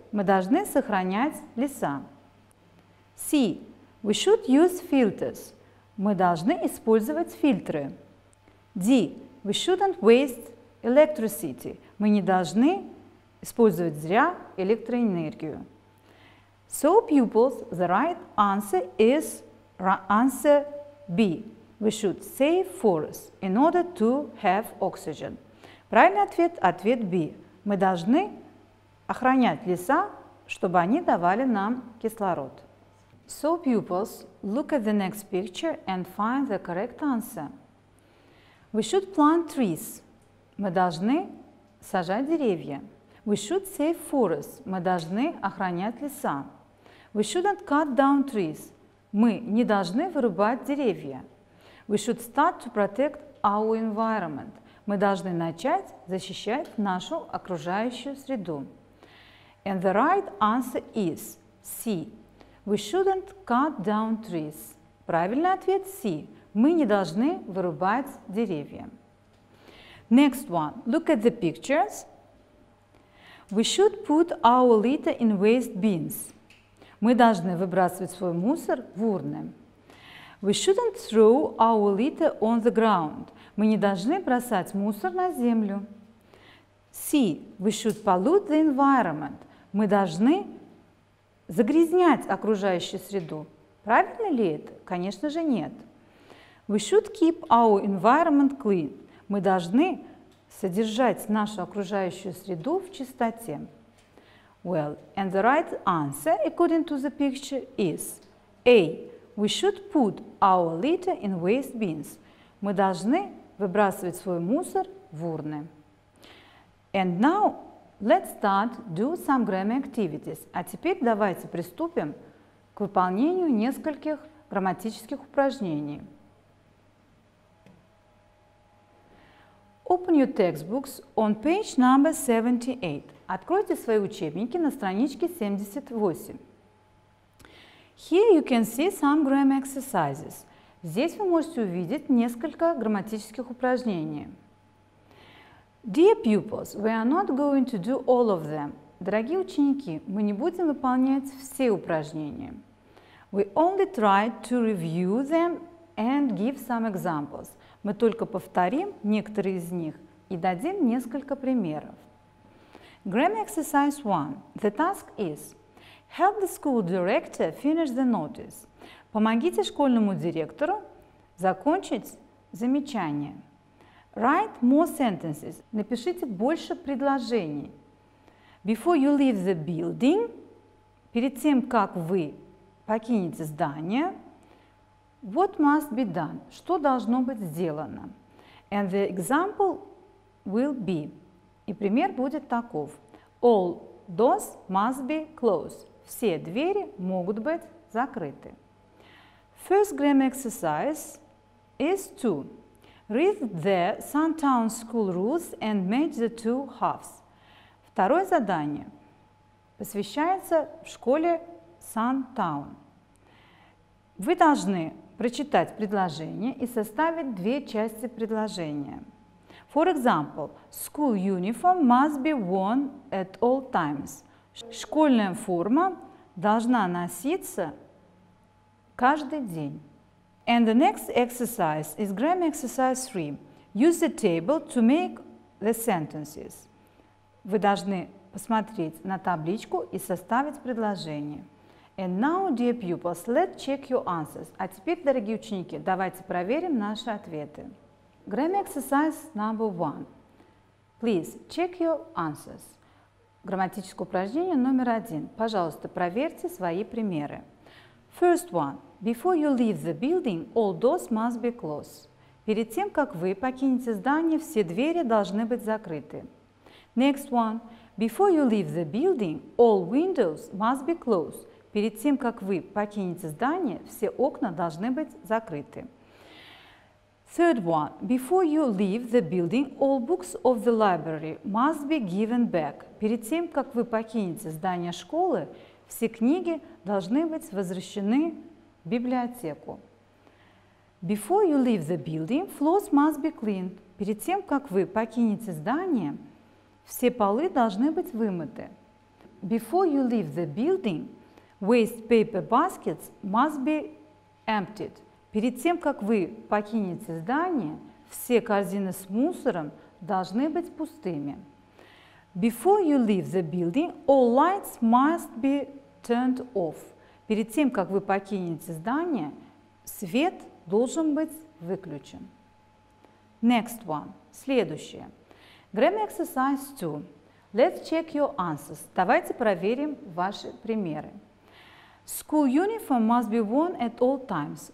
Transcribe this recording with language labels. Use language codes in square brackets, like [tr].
[ru] Мы должны сохранять леса. [en] C. We should use filters. [ru] Мы должны использовать фильтры. [en] D. We shouldn't waste electricity. [ru] Мы не должны использовать зря электроэнергию. [en] So, pupils, the right answer is answer B. We should save forests in order to have oxygen. [ru] Правильный ответ – ответ B. Мы должны охранять леса, чтобы они давали нам кислород. [en] So, pupils, look at the next picture and find the correct answer. We should plant trees. [ru] Мы должны сажать деревья. [en] We should save forests. [ru] Мы должны охранять леса. [en] We shouldn't cut down trees. [ru] Мы не должны вырубать деревья. [en] We should start to protect our environment. [ru] Мы должны начать защищать нашу окружающую среду. [en] And the right answer is C. We shouldn't cut down trees. [ru] Правильный ответ C. Мы не должны вырубать деревья. [en] Next one. Look at the pictures. We should put our litter in waste bins. [ru] Мы должны выбрасывать свой мусор в урны. [en] We shouldn't throw our litter on the ground. [ru] Мы не должны бросать мусор на землю. [en] C. We should pollute the environment. [ru] Мы должны загрязнять окружающую среду. Правильно ли это? Конечно же, нет. [en] We should keep our environment clean. [ru] Мы должны содержать нашу окружающую среду в чистоте. [en] Well, and the right answer, according to the picture, is A. We should put our litter in waste bins. [ru] Мы должны выбрасывать свой мусор в урны. [en] And now, let's start do some grammar activities. [ru] А теперь давайте приступим к выполнению нескольких грамматических упражнений. [en] Open your textbooks on page number 78. [ru] Откройте свои учебники на страничке 78. [en] Here you can see some grammar exercises. [ru] Здесь вы можете увидеть несколько грамматических упражнений. [en] Dear pupils, we are not going to do all of them. [ru] Дорогие ученики, мы не будем выполнять все упражнения. [en] We only try to review them and give some examples. [ru] Мы только повторим некоторые из них и дадим несколько примеров. [en] Grammar exercise 1. The task is help the school director finish the notice. [ru] Помогите школьному директору закончить замечание. [en] Write more sentences. [ru] Напишите больше предложений. [en] Before you leave the building, [ru] перед тем, как вы покинете здание, [en] what must be done? [ru] Что должно быть сделано? [en] And the example will be. [ru] И пример будет таков. [en] All doors must be closed. [ru] Все двери могут быть закрыты. [en] First grammar exercise is 2. Read the Sandtown School rules and match the two halves. [ru] Второе задание посвящается школе Sandtown. Вы должны прочитать предложение и составить две части предложения. [en] For example, school uniform must be worn at all times. [ru] Школьная форма должна носиться каждый день. [en] And the next exercise is grammar exercise 3. Use the table to make the sentences. [ru] Вы должны посмотреть на табличку и составить предложение. [en] And now, dear pupils, let's check your answers. [ru] А теперь, дорогие ученики, давайте проверим наши ответы. [en] Grammar exercise number 1. Please check your answers. [ru] Грамматическое упражнение номер 1. Пожалуйста, проверьте свои примеры. [en] First one. Before you leave the building, all doors must be closed. [ru] Перед тем, как вы покинете здание, все двери должны быть закрыты. [en] Next one. Before you leave the building, all windows must be closed. [ru] Перед тем, как вы покинете здание, все окна должны быть закрыты. [en] Third one. Before you leave the building, all books of the library must be given back. [ru] Перед тем, как вы покинете здание школы, все книги должны быть возвращены в библиотеку. [en] Before you leave the building, floors must be cleaned. [ru] Перед тем, как вы покинете здание, все полы должны быть вымыты. [en] Before you leave the building, waste paper baskets must be emptied. [ru] Перед тем, как вы покинете здание, все корзины с мусором должны быть пустыми. [en] Before you leave the building, all lights must be turned off. [ru] Перед тем, как вы покинете здание, свет должен быть выключен. [en] Next one. [ru] Следующее. [en] Grammar exercise 2. Let's check your answers. [ru] Давайте проверим ваши примеры. [en] School uniform must be worn at all times.